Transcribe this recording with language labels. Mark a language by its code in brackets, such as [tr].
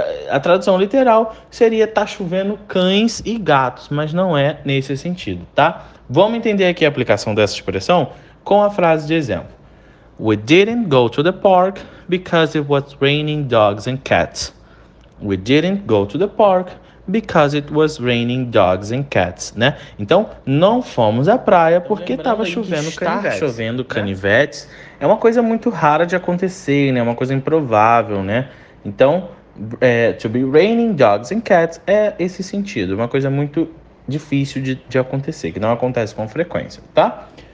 [pt] A tradução literal seria tá chovendo cães e gatos, mas não é nesse sentido, tá? Vamos entender aqui a aplicação dessa expressão com a frase de exemplo. [en] We didn't go to the park because it was raining dogs and cats. We didn't go to the park because it was raining dogs and cats, [pt] né? Então, não fomos à praia porque estava chovendo canivetes. Estar chovendo canivetes, né? É uma coisa muito rara de acontecer, né? É uma coisa improvável, né? Então, [en] to be raining dogs and cats [pt] é esse sentido. Uma coisa muito difícil de acontecer, que não acontece com frequência, tá?